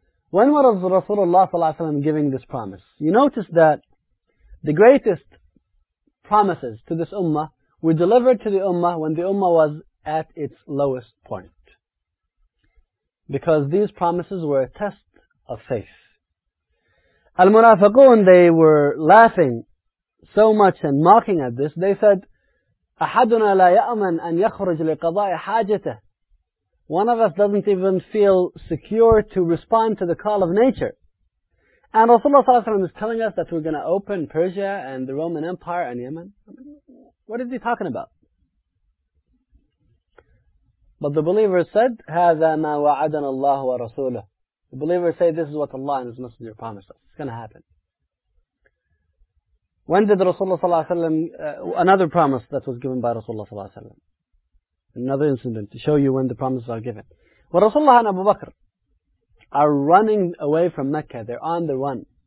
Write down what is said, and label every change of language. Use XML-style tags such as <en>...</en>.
<en>When was Rasulullah sallallahu alayhi wa giving this promise? You notice that the greatest promises to this ummah were delivered to the ummah when the ummah was at its lowest point. Because these promises were a test of faith. Al-Munafiqun, they were laughing so much and mocking at this. They said,</en> <ar>أَحَدُنَا لَا يَأْمَنْ أَنْ يَخْرُجْ لِقَضَاءِ حَاجَتَهِ.</ar> <en>One of us doesn't even feel secure to respond to the call of nature. And Rasulullah sallallahu alayhi wa sallam is telling us that we're going to open Persia and the Roman Empire and Yemen. What is he talking about? But the believers said,</en> <ar>هَذَا مَا وَعَدَنَا اللَّهُ وَرَسُولُهُ.</ar> <en>The believers say, this is what Allah and His Messenger promised us. It's going to happen. When did Rasulullah sallallahu alayhi wa sallam, another promise that was given by Rasulullah sallallahu alayhi wa sallam. Another incident to show you when the promises are given. When Rasulullah and Abu Bakr are running away from Mecca, they're on the run.</en>